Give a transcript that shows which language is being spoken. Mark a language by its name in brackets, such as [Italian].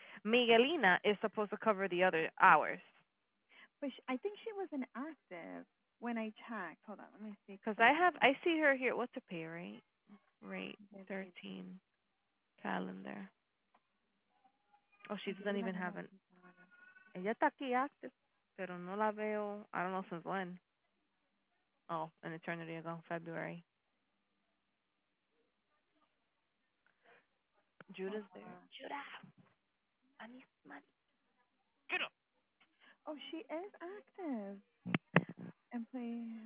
[English] Miguelina is supposed to cover the other hours. But I think she was inactive when I checked. Hold on, let me see. Because I see her here. What's a pay rate? Rate 13 calendar. Oh, she doesn't even have an. [Spanish] Ella está aquí active, pero no la veo. [English] I don't know since when. Oh, an eternity ago, February. Judah's there. Judah. I need money. Get up. Oh, she is active. And play.